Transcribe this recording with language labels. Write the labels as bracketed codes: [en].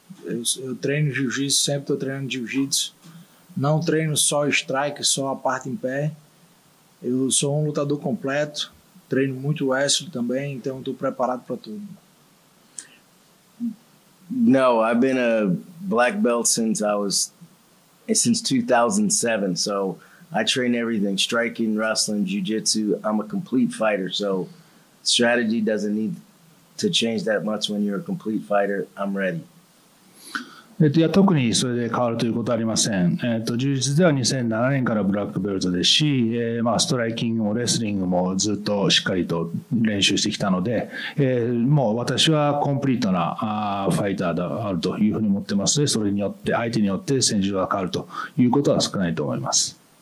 [pt] Eu treino jiu-jitsu, sempre estou treinando jiu-jitsu. Não treino só strike, só a parte em pé. Eu sou um lutador completo, treino muito wrestling também, então estou preparado para tudo. [en] No, I've been a black belt since 2007, so I train everything, striking, wrestling, jiu-jitsu. I'm a complete fighter, so strategy doesn't need to change that much when you're a complete fighter. I'm ready. [ja] いや特にそれで変わるということはありません。充実では2007年からブラックベルトですし、まあ、ストライキングもレスリングもずっとしっかりと練習してきたので、もう私はコンプリートなファイターであるというふうに思ってますので、それによって相手によって戦術が変わるということは少ないと思います。